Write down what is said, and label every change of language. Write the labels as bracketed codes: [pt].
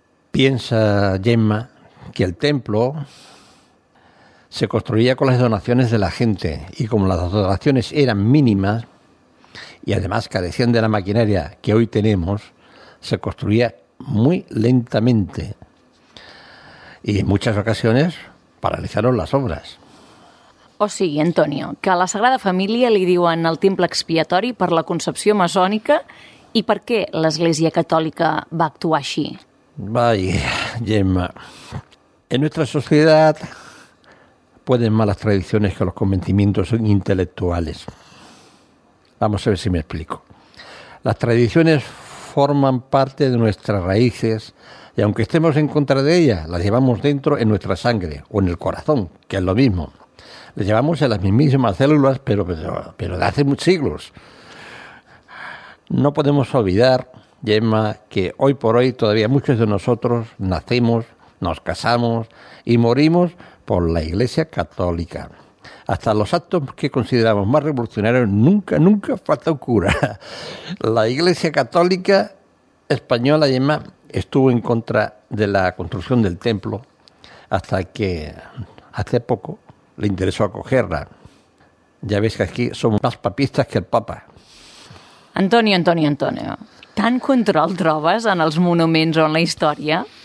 [es] Piensa Gemma que el templo se construía con las donaciones de la gente, y como las donaciones eran mínimas y además carecían de la maquinaria que hoy tenemos, se construía muy lentamente y en muchas ocasiones paralizaron las obras. [ca] O sigui, Antonio, que a la Sagrada Família li diuen el temple expiatori per la concepció masònica, i per què l'Església Catòlica va actuar així? [es] Vaya, Gemma. En nuestra sociedad pueden más las tradiciones que los convencimientos intelectuales. Vamos a ver si me explico. Las tradiciones forman parte de nuestras raíces y aunque estemos en contra de ellas, las llevamos dentro en nuestra sangre o en el corazón, que es lo mismo. Las llevamos en las mismísimas células, pero de hace muchos siglos. No podemos olvidar, Gemma, que hoy por hoy todavía muchos de nosotros nacemos, nos casamos y morimos por la Iglesia Católica. Hasta los actos que consideramos más revolucionarios nunca, nunca falta un cura. La Iglesia Católica española, Gemma, estuvo en contra de la construcción del templo hasta que hace poco le interesó acogerla. Ya ves que aquí somos más papistas que el Papa. [ca] Antonio, ¿tant control trobes en els monuments o en la història?